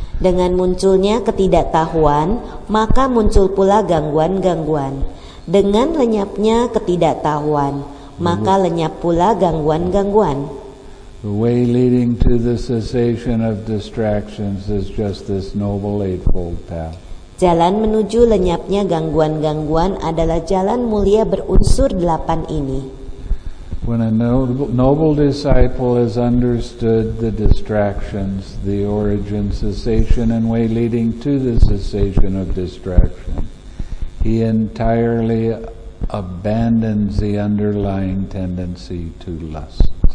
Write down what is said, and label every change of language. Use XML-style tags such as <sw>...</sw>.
<id>Dengan munculnya ketidaktahuan, maka muncul pula gangguan-gangguan. Dengan lenyapnya ketidaktahuan, maka lenyap pula gangguan-gangguan.</id> <en>The way leading to the cessation of distractions is just this Noble Eightfold Path.</en> <id>Jalan menuju lenyapnya gangguan-gangguan adalah jalan mulia berunsur delapan ini.</id> <en>When a noble disciple has understood the distractions, the origin, cessation, and way leading to the cessation of distraction, he entirely abandons the underlying tendency to lust.</en>